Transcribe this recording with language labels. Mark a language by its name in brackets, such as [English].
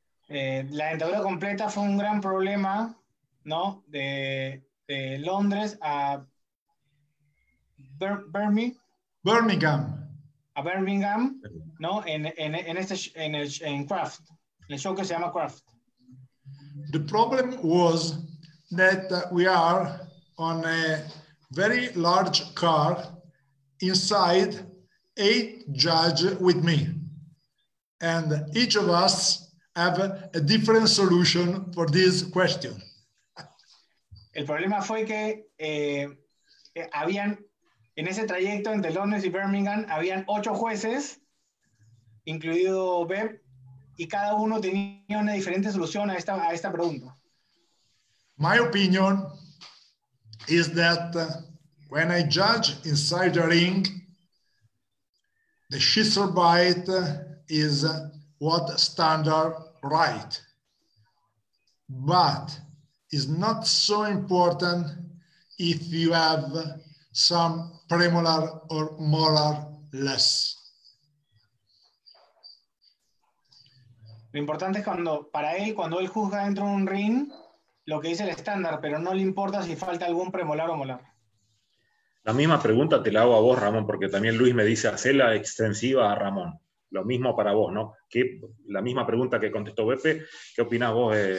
[Spanish] La dentadura completa fue un gran problema, ¿no? De Londres a Birmingham. A Birmingham, ¿no? En Craft, el show que se llama Craft. [English] The problem was that we are on a very large car inside 8 judges with me. And each of us have a different solution for this question. [Spanish] El problema fue que habían en ese trayecto entre Londres y Birmingham habían 8 jueces, incluido Beb, y cada uno tenía una diferente solución a esta pregunta. [English] My opinion is that when I judge inside the ring, the scissor bite is what standard right. But it's not so important if you have some premolar or molar less. [Spanish] Lo importante es cuando él juzga dentro de un ring, lo que dice el estándar, pero no le importa si falta algún premolar o molar. La misma pregunta te la hago a vos, Ramón, porque también Luis me dice, hacela extensiva a Ramón. Lo mismo para vos, ¿no? La misma pregunta que contestó Beppe, ¿qué opinás vos?